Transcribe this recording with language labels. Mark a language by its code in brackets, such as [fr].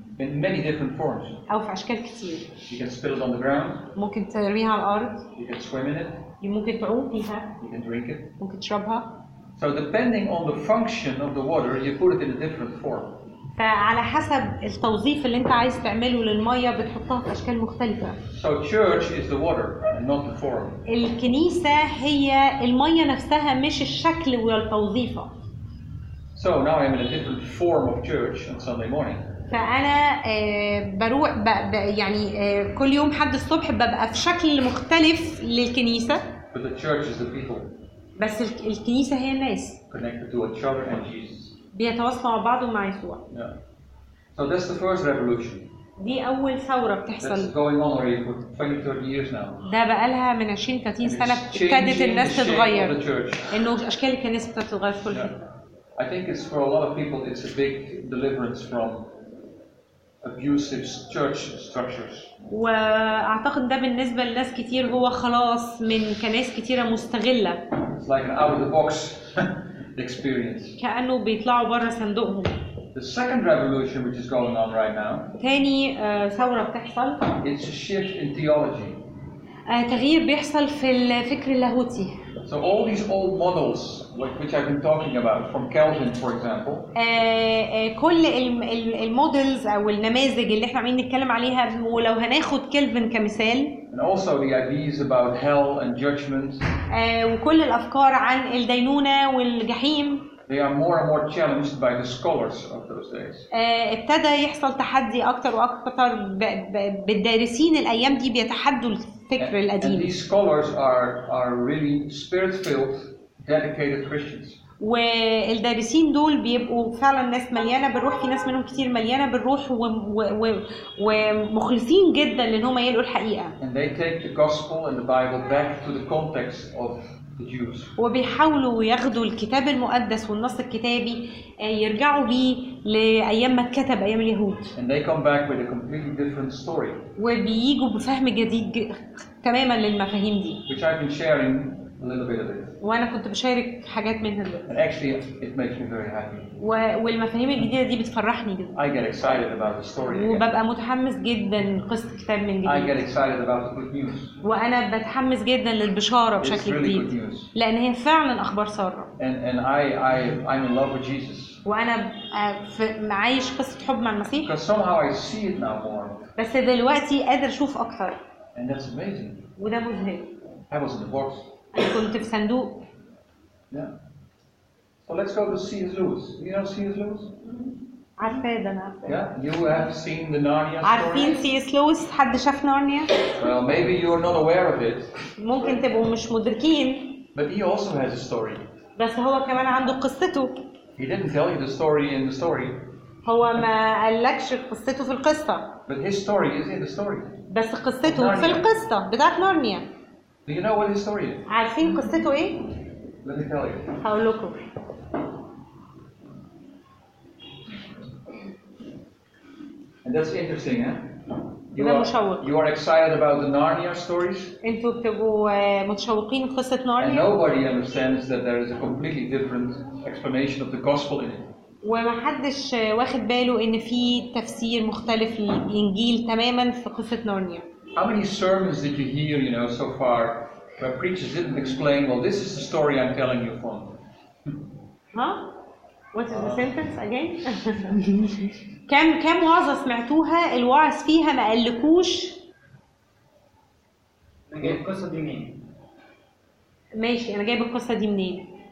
[en] in many different forms. [ar] أو في أشكال كتير. [en] You can spill it on the ground. [ar] ممكن ترميها على الأرض. [en] You can swim in it. [ar] ممكن تعوم فيها. [en] You can drink it. [ar] ممكن تشربها. [en] So depending on the function of the water, you put it in a different form. [ar] فعلى حسب التوظيف اللي انت عايز تعمله للمية بتحطها في أشكال مختلفة. [en] So church is the water and not the form. [ar] الكنيسة هي المية نفسها مش الشكل والتوظيفة. [en] So now I'm in a different form of church on Sunday morning. [ar] فانا بروح يعني كل يوم حد الصبح ببقى في شكل مختلف للكنيسه. [en] But the church is the people. [ar] بس الكنيسه هي الناس. [en] Connected to each other and Jesus. [ar] بيتواصلوا مع بعض ومع يسوع. [en] Yeah. So that's the first revolution. [ar] دي اول ثوره بتحصل. [en] That's going on already for 20 30 years now. [ar] ده بقى لها من 20 30 سنه ابتدت الناس تتغير. انه اشكال الكنيسه ابتدت تتغير كلها. [en] I think it's for a lot of people it's a big deliverance from abusive church structures. [ar] واعتقد ده بالنسبه لناس كتير هو خلاص من كنائس كتيره مستغله. [en] It's like an out of the box experience. [ar] كانه بيطلعوا بره صندوقهم. [en] The second revolution which is going on right now. [ar] تاني ثوره بتحصل. [en] It's a shift in theology. [ar] تغيير بيحصل في الفكر اللاهوتي. [en] So all these old models which I've been talking about from Calvin for example. [ar] كل المودلز او النماذج اللي احنا عاملين نتكلم عليها ولو هناخد كلفن كمثال. [en] And also the ideas about hell and judgment. [ar] وكل الافكار عن الدينونه والجحيم. [en] They are more and more challenged by the scholars of those days. [ar] ابتدى يحصل تحدي اكتر واكتر بالدارسين الايام دي بيتحدوا الفكر القديم. [en] And these scholars are really spirit-filled, dedicated Christians. [ar] والدارسين دول بيبقوا فعلا ناس مليانه بالروح. في ناس منهم كتير مليانه بالروح ومخلصين جدا ان هم يلقوا الحقيقه. [en] And they take the gospel and the Bible back to the context of [ar] وبيحاولوا ياخدوا الكتاب المقدس والنص الكتابي يرجعوا بيه لايام ما اتكتب ايام اليهود. [en] And they come back with a completely different story. [ar] وبييجوا بفهم جديد تماما للمفاهيم دي. [en] Which I've been sharing a little bit of it. [ar] وانا كنت بشارك حاجات منها. [en] And actually it makes me very happy. [ar] والمفاهيم الجديده دي بتفرحني جدا. [en] I get excited about the story. [ar] وببقى متحمس جدا قصه الكتاب من جديد. [en] I get excited about the good news. [ar] وانا بتحمس جدا للبشاره بشكل جديد. لان هي فعلا اخبار ساره. [en] And I'm in love with Jesus. [ar] وانا عايش قصه حب مع المسيح. [en] Because somehow I see it now more. [ar] بس دلوقتي قادر اشوف اكتر. [en] And that's amazing. [ar] وده مذهل. [en] I was in the box. [ar] كنت في صندوق. [en] So let's go to C.S. Lewis. You know C.S. Lewis? [ar] عارفة ده أنا عارفة. [en] Yeah, you have seen the Narnia story. [ar] عارفين C.S. Lewis؟ حد شاف نارنيا؟ [en] Well, maybe you are not aware of it. [ar] ممكن تبقوا مش مدركين. [en] But he also has a story. [ar] بس هو كمان عنده قصته. [en] He didn't tell you the story in the story. [ar] هو ما قالكش قصته في القصة. [en] But his story is in the story. [ar] بس قصته في القصة بتاعت نارنيا. [en] Do you know what his story is? [ar] عارفين قصته إيه؟ [en] Let me tell you. [ar] هقولكم. [en] And that's interesting, huh? You are excited about the Narnia stories. [ar] انتوا بتبقوا متشوقين قصة نارنيا. [en] And nobody understands that there is a completely different explanation of the gospel in it. [ar] ومحدش واخد باله إن في تفسير مختلف للإنجيل تماماً في قصة نارنيا. [en] How many sermons did you hear, you know, so far, where preachers didn't explain, well, this is the story I'm telling you from? Huh? What is the sentence again? [ar] كم وعظة سمعتوها الوعظ فيها ما قالكوش؟ انا جايب القصة دي منين؟ ماشي انا جايب القصة دي منين؟